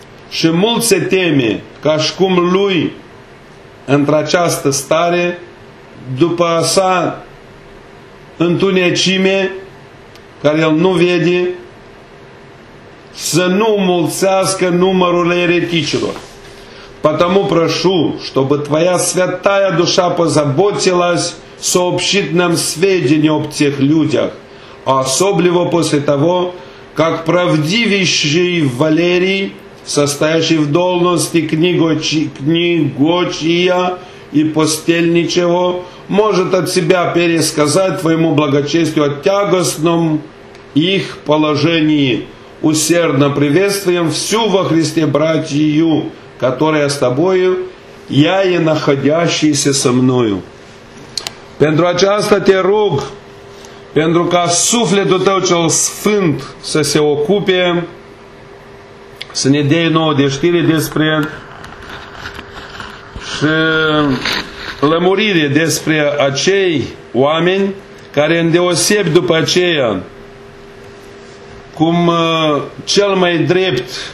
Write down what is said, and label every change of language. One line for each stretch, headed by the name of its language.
Romanian: Și mult se teme, ca și cum lui, într-această stare, după sa întunecime, care el nu vede, să nu mulțească numărul ereticilor.
Russian: Потому прошу, чтобы твоя святая душа позаботилась сообщить нам сведения об тех людях, особливо после того, как правдивейший Валерий, состоящий в должности книгочия и постельничего, может от себя пересказать твоему благочестию о тягостном их положении. Усердно приветствуем всю во Христе братью, которая с тобою, я и находящийся со мною.
Romanian: Pentru aceasta te rog, pentru ca sufletul tău cel sfânt să se ocupe, să ne dea nouă de știri despre și lămurire despre acei oameni care îndeosebi după aceea cum cel mai drept